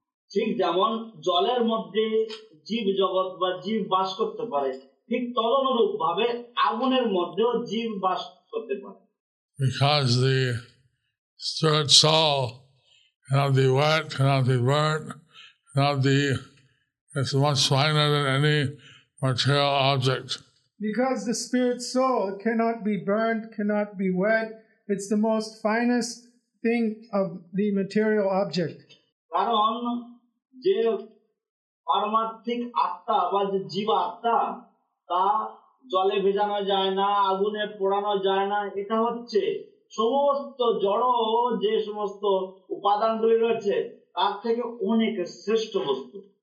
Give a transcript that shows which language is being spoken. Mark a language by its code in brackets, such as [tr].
[bn] ঠিক যেমন জলের মধ্যে জীব জগৎ বা জীব বাস করতে পারে, ঠিক তদনুরূপ ভাবে আগুনের মধ্যেও জীব বাস করতে পারে। [en] Because the spirit soul cannot be wet, cannot be burnt, cannot be, it's much finer than any material object. Because the spirit soul cannot be burned, cannot be wet, it's the most finest thing of the material object. [bn] কারণ যে পারমার্থিক আত্মা বা যে জীব আত্মা তা জলে ভেজানো যায় না, আগুনে পোড়ানো যায় না, এটা হচ্ছে সমস্ত জড় যে সমস্ত উপাদানগুলি রয়েছে তার থেকে অনেক শ্রেষ্ঠ বস্তু।